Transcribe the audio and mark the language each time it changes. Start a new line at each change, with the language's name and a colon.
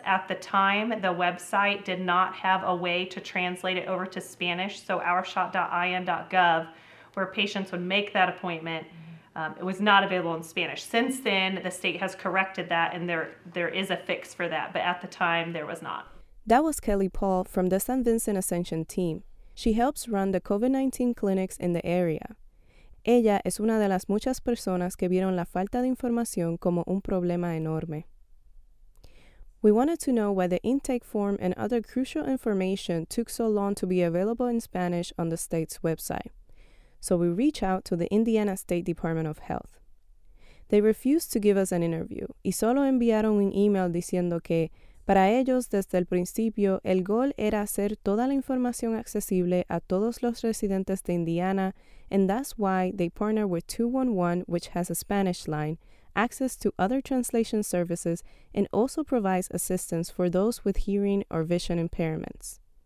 English: At the time, the website did not have a way to translate it over to Spanish, so ourshot.in.gov, where patients would make that appointment, It was not available in Spanish. Since then, the state has corrected that, and there is a fix for that. But at the time, there was not. That was Kelly Paul from the St. Vincent Ascension team. She helps run the COVID-19 clinics in the area.
Spanish: Ella es una de las muchas personas que vieron la falta de información como un problema enorme.
English: We wanted to know why the intake form and other crucial information took so long to be available in Spanish on the state's website. So we reach out to the Indiana State Department of Health. They refused to give us an interview
Spanish: y solo enviaron un email diciendo que para ellos desde el principio el goal era hacer toda la información accesible a todos los residentes de Indiana,
English: and that's why they partner with 211, which has a Spanish line, access to other translation services, and also provides assistance for those with hearing or vision impairments.